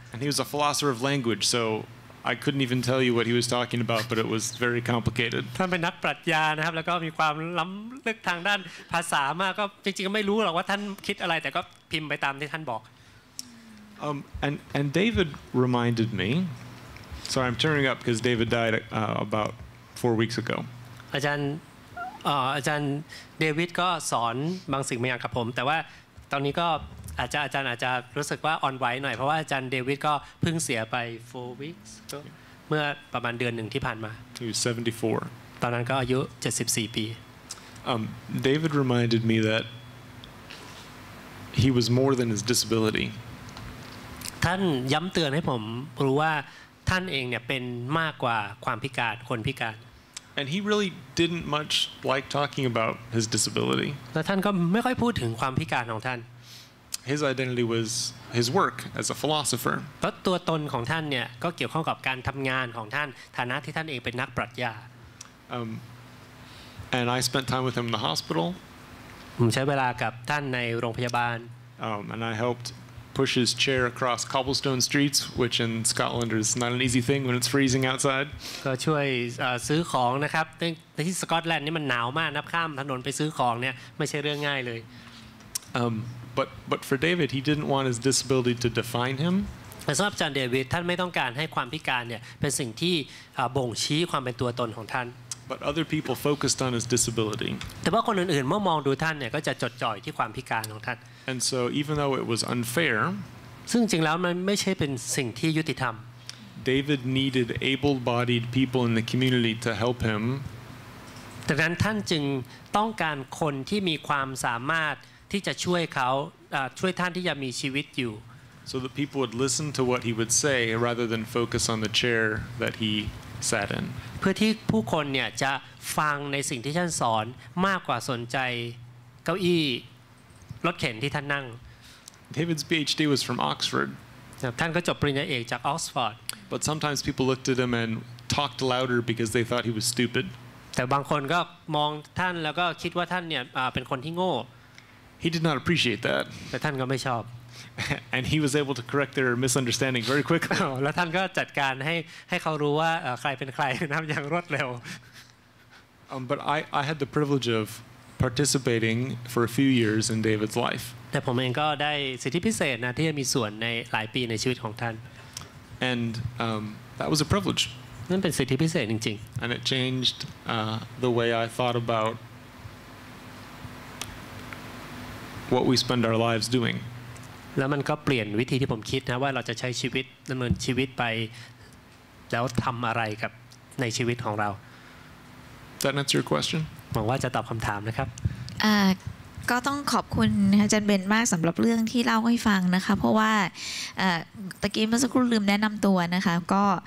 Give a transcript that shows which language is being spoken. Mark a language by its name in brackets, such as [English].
[English] And he was a philosopher of language, so I couldn't even tell you what he was talking about, but it was very complicated. [Thai] ท่านเป็นนักปรัชญานะครับแล้วก็มีความล้ำลึกทางด้านภาษามากก็จริงๆไม่รู้หรอกว่าท่านคิดอะไรแต่ก็พิมพ์ไปตามที่ท่านบอก [English] And David reminded me. Sorry, I'm tearing up because David died about 4 weeks ago. [Thai] อาจารย์ David ก็สอนบางสิ่งบางอย่างกับผมแต่ว่าตอนนี้ก็อาจารย์รู้สึกว่าอ่อนไหวหน่อยเพราะว่าอาจารย์ David ก็เพิ่งเสียไป 4 weeks เมื่อประมาณเดือนหนึ่งที่ผ่านมา [English] He was 74. [Thai] ตอนนั้นก็อายุ74ปี [English] David reminded me that he was more than his disability. [Thai] ท่านย้ำเตือนให้ผมรู้ว่าท่านเองเนี่ยเป็นมากกว่าความพิการคนพิการ [English] And he really didn't much like talking about his disability. [Thai] แต่ท่านก็ไม่ค่อยพูดถึงความพิการของท่าน [English] His identity was his work as a philosopher. [Thai] ตัวตนของท่านเนี่ยก็เกี่ยวข้องกับการทำงานของท่านฐานะที่ท่านเองเป็นนักปรัชญา [English] And I spent time with him in the hospital. [Thai] ผมใช้เวลากับท่านในโรงพยาบาล [English] And I helpedPush his chair across cobblestone streets, which in Scotland is not an easy thing when it's freezing outside. [Thai] ก็ช่วยซื้อของนะครับที่สกอตแลนด์นี่มันหนาวมากนับข้ามถนนไปซื้อของเนี่ยไม่ใช่เรื่องง่ายเลย [English] But for David, he didn't want his disability to define him. [Thai] แต่สำหรับอาจารย์เดวิดท่านไม่ต้องการให้ความพิการเนี่ยเป็นสิ่งที่บ่งชี้ความเป็นตัวตนของท่าน [English] But other people focused on his disability. [Thai] แต่ว่าคนอื่นๆเมื่อมองดูท่านเนี่ยก็จะจดจ่อยที่ความพิการของท่าน [English] And so, even though it was unfair, [Thai] ซึ่งจริงแล้วมันไม่ใช่เป็นสิ่งที่ยุติธรรม [English] David needed able-bodied people in the community to help him. [Thai] ดังนั้นท่านจึงต้องการคนที่มีความสามารถที่จะช่วยเขาช่วยท่านที่ยังมีชีวิตอยู่ [English] So that people would listen to what he would say rather than focus on the chair that he sat in. [Thai] เพื่อที่ผู้คนเนี่ยจะฟังในสิ่งที่ท่านสอนมากกว่าสนใจเก้าอี้รถเข็นที่ท่านนั่ง [English] David's PhD was from Oxford [Thai] ท่านก็จบปริญญาเอกจาก Oxford [English] But sometimes people looked at him and talked louder because they thought he was stupid [Thai] แต่บางคนก็มองท่านแล้วก็คิดว่าท่านเนี่ยเป็นคนที่โง่ [English] He did not appreciate that [Thai] แต่ท่านก็ไม่ชอบ [English] And he was able to correct their misunderstanding very quickly [Thai] แล้วท่านก็จัดการให้เขารู้ว่าใครเป็นใครนะอย่างรวดเร็ว [English] But I had the privilege ofparticipating for a few years in David's life. [Thai] แต่ผมเองก็ได้สิทธิพิเศษนะที่จะมีส่วนในหลายปีในชีวิตของท่าน [English] And that was a privilege. [Thai] นั่นเป็นสิทธิพิเศษจริง [English] ๆ And it changed the way I thought about what we spend our lives doing. [Thai] แล้วมันก็เปลี่ยนวิธีที่ผมคิดนะว่าเราจะใช้ชีวิตดําเนินชีวิตไปแล้วทําอะไรกับในชีวิตของเรา [English] That answers your question. [Thai] หวังว่าจะตอบคำถามนะครับ ก็ต้องขอบคุณอาจารย์เบนมากสำหรับเรื่องที่เล่าให้ฟังนะคะเพราะว่าตะกี้เมื่อสักครู่ลืมแนะนำตัวนะคะก็